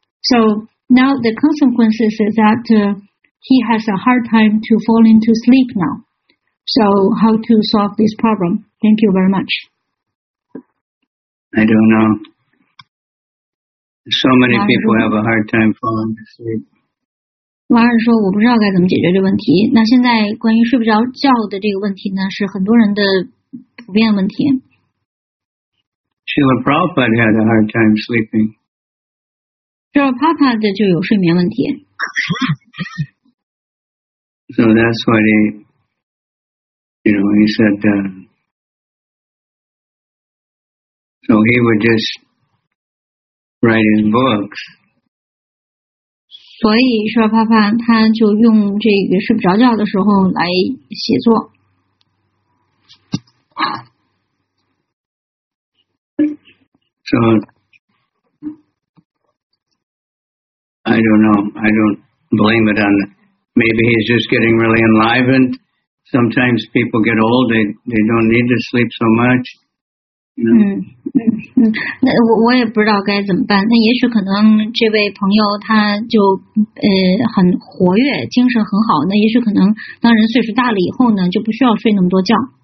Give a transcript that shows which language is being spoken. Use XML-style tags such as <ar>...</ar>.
<en>So now the consequences is that he has a hard time to fall into sleep now. So how to solve this problem? Thank you very much. I don't know. So many people have a hard time falling to sleep.</en> <zh>瓦尔说我不知道该怎么解决这问题。那现在关于睡不着觉的这个问题呢，是很多人的普遍问题。</zh> <en>Srila Prabhupada had a hard time sleeping.</en> <zh>Srila Prabhupada 就有睡眠问题。</zh> <en>So that's what he, you know, he said, so he would just write his books.</en> <zh>所以 Srila Prabhupada 他就用这个睡不着觉的时候来写作。</zh> <en>So, I don't know. I don't blame it on, maybe he's just getting really enlivened. Sometimes people get old, they don't need to sleep so much. You know?</en> <zh>那我也不知道该怎么办。那也许可能这位朋友他就很活跃，精神很好。那也许可能当人岁数大了以后呢，就不需要睡那么多觉。</zh>